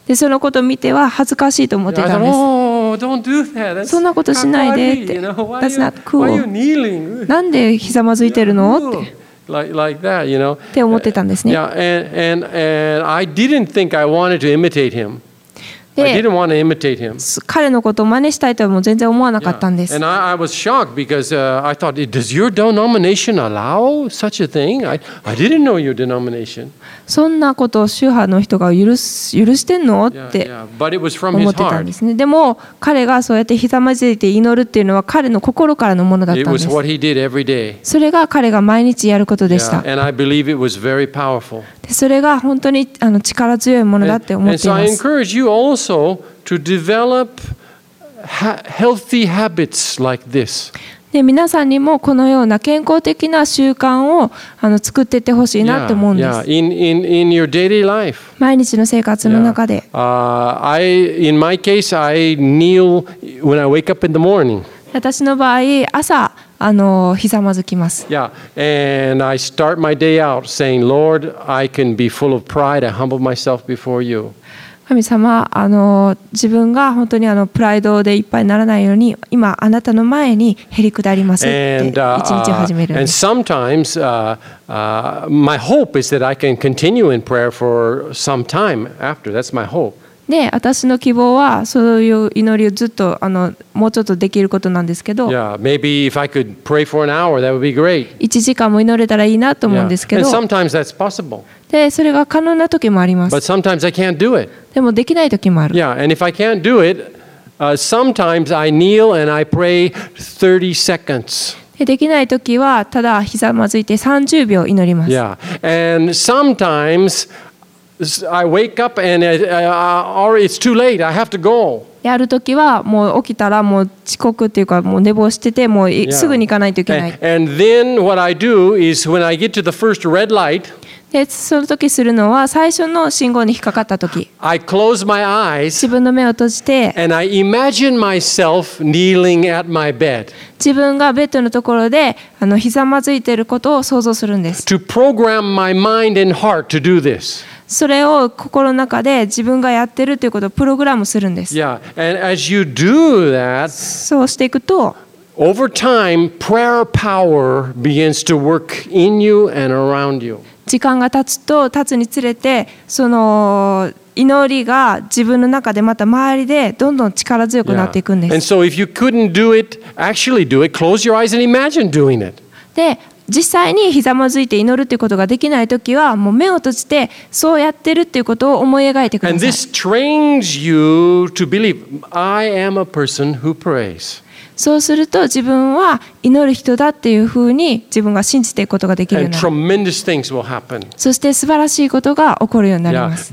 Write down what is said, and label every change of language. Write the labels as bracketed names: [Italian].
[Japanese] で、そのことを見ては恥ずかしいと思ってたんです。 [English] Yeah, don't do that. [Japanese] そんなことしないでって。 [English] That's not cool. [Japanese] なんでひざまずいてるのって。 [English] Like that, you know. [Japanese] って思ってたんですね。 [English] Yeah, and I didn't think I wanted to imitate him. I didn't want to imitate him. [Japanese] 彼のことを真似したいとも全然思わなかったんです。 [English] Yeah. And I was shocked because I thought, does your denomination allow such a thing? I didn't know your denomination. [Japanese] そんなことを宗派の人が許してんのって思ってたんですね。でも彼がそうやってひざまずいて祈るっていうのは彼の心からのものだったんです。 [English] It was what he did every day. [Japanese] それが彼が毎日やることでした。 [English] Yeah. And I believe it was very powerful. [Japanese] それが本当に力強いものだって思っています。 [English] And so I encourage you also to develop healthy habits like this. [Japanese] で、皆さんにもこのような健康的な習慣を作っていってほしいなって思うんです。 [English] Yeah, yeah. In your daily life. [Japanese] 毎日の生活の中で。 [English] Yeah. In my case, I kneel when I wake up in the morning. [Japanese] 私の場合、朝ひざまずきます。 [English] Yeah, and I start my day out saying, Lord, I can be full of pride and humble myself before you. [Japanese] 神様、自分が本当にプライドでいっぱいならないように、今あなたの前にへり下りますって一日始めるんです。 [English] And sometimes, my hope is that I can continue in prayer for some time after. That's my hope. [Japanese] で、私の希望はそういう祈りをずっともうちょっとできることなんですけど、 1 時間も祈れたらいいなと思うんですけど、で、それが可能な時もあります。 [English] But sometimes I can't do it. [Japanese] でもできない時もある。 [English] Yeah, and if I can't do it, sometimes I kneel and I pray 30 seconds. [Japanese] できないときはただひざまずいて30秒祈ります。 [English] Yeah, and sometimes. I wake up and it's too late. I have to go. [Japanese] やるときはもう起きたらもう遅刻っていうかもう寝坊しててもうすぐに行かないといけない。 [English] And then what I do is when I get to the first red light. [Japanese] でそのときするのは最初の信号に引っかかったとき。 [English] I close my eyes. [Japanese] 自分の目を閉じて。 [English] And I imagine myself kneeling at my bed. [Japanese] 自分がベッドのところでひざまずいてることを想像するんです。 [English] To program my mind and heart to do this. [Japanese] それを心の中で自分がやってるということをプログラムするんです。 [English] Yeah. And as you do that, [Japanese] そうしていくと、 [English] over time, prayer power begins to work in you and around you. [Japanese] 時間が経つと経つにつれて、その祈りが自分の中でまた周りでどんどん力強くなっていくんです。 [English] Yeah. And so if you couldn't do it, actually do it. Close your eyes and imagine doing it. [Japanese] で実際にひざまずいて祈るということができないときはもう目を閉じてそうやってるということを思い描いてください。 [English] And this trains you to believe, I am a person who prays. [Japanese] そうすると自分は祈る人だっていうふうに自分が信じていくことができるの。 [English] And tremendous things will happen. [Japanese] そして素晴らしいことが起こるようになります。